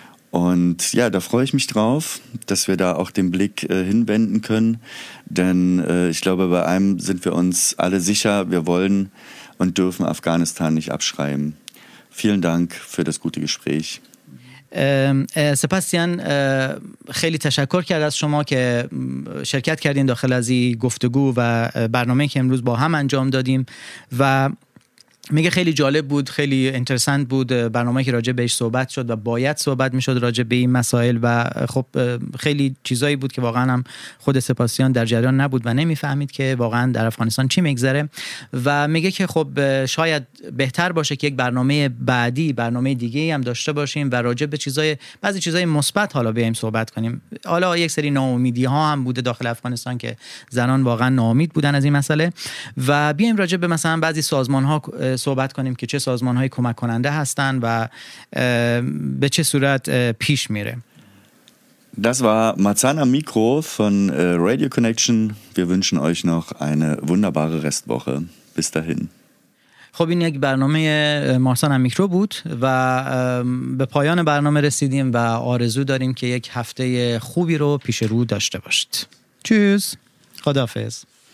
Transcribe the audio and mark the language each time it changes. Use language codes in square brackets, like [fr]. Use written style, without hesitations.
[de] Und ja, da freue ich mich drauf, dass wir da auch den Blick hinwenden können. Denn ich glaube, bei einem sind wir uns alle sicher, wir wollen und dürfen Afghanistan nicht abschreiben. Vielen Dank für das gute Gespräch. [fa] سپاسیان خیلی تشکر کرد از شما که شرکت کردین داخل از این گفتگو و برنامه که امروز با هم انجام دادیم و میگه خیلی جالب بود، خیلی اینترسنت بود برنامه که راجع بهش صحبت شد و باید صحبت میشد راجع به این مسائل، و خب خیلی چیزایی بود که واقعا هم خود سپاسیان در جریان نبود و نمیفهمید که واقعا در افغانستان چی میگذره. و میگه که خب شاید بهتر باشه که یک برنامه بعدی، برنامه دیگه هم داشته باشیم و راجع به چیزای بعضی چیزای مثبت حالا بیایم صحبت کنیم. حالا یک سری ناامیدی ها هم بوده داخل افغانستان که زنان واقعا ناامید بودن از این مسئله، و بیایم راجع به مثلا بعضی سازمان ها صحبت کنیم که چه سازمان‌های کمک کننده هستن و به چه صورت پیش میره. [de] Das war Marzahn am Mikro von Radio Connection. Wir wünschen euch noch eine wunderbare Restwoche. Bis dahin. [fa] خب این یک برنامه مارسان هم میکرو بود و به پایان برنامه رسیدیم و آرزو داریم که یک هفته خوبی رو پیش رو داشته باشید. چوس. خداحافظ.